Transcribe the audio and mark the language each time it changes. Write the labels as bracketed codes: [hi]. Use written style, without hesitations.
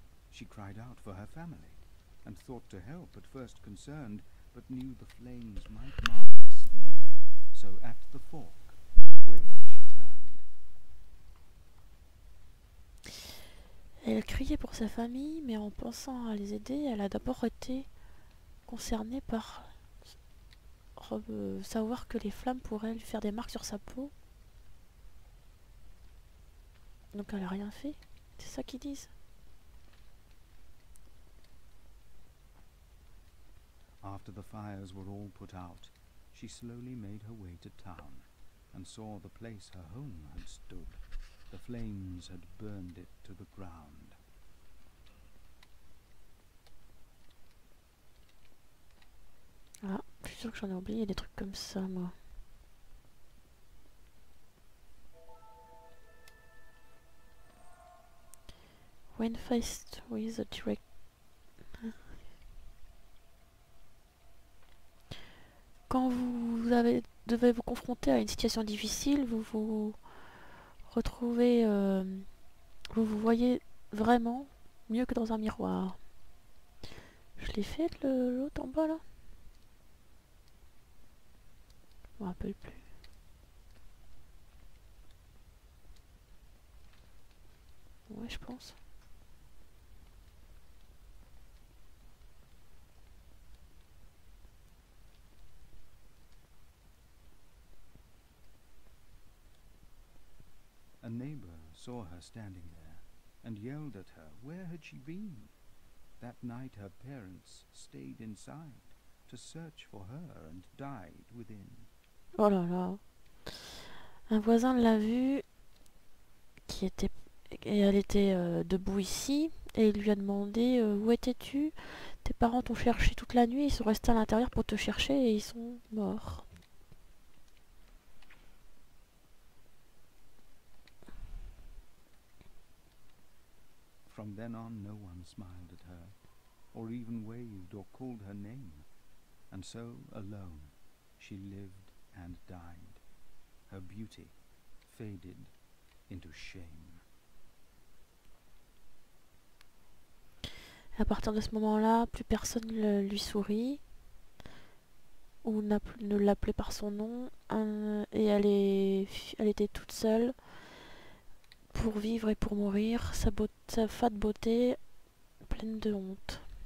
[en] She cried out for her family and thought to help, at first concerned, but knew the flames might mark the scene. So at the fork, away she turned. [fr] Elle criait pour sa famille, mais en pensant à les aider, elle a d'abord été concernée par savoir que les flammes pourraient lui faire des marques sur sa peau. Donc elle a rien fait, c'est ça qu'ils disent. [en] After the fires were all put out, she slowly made her way to town and saw the place her home had stood. The flames had burned it to the ground. [fr] Ah, je suis sûre que j'en ai oublié des trucs comme ça, moi. [en] When faced with a direct... [fr] Quand vous devez vous confronter à une situation difficile, vous vous retrouvez, vous vous voyez vraiment mieux que dans un miroir. Je l'ai fait l'autre en bas là. Je ne me rappelle plus. Ouais, je pense. [en] A neighbor saw her standing there and yelled at her. Where had she been? That night her parents stayed inside to search for her and died within. [fr] Oh là là. Un voisin l'a vue qui était et elle était debout ici et il lui a demandé où étais-tu? Tes parents t'ont cherché toute la nuit, ils sont restés à l'intérieur pour te chercher et ils sont morts. [en] From then on, no one smiled at her, or even waved or called her name. And so, alone, she lived and died. Her beauty faded into shame. [fr] À partir de ce moment-là, plus personne lui sourit, ou ne l'appelait par son nom, et elle était toute seule. Pour vivre et pour mourir, sa fade beauté pleine de honte.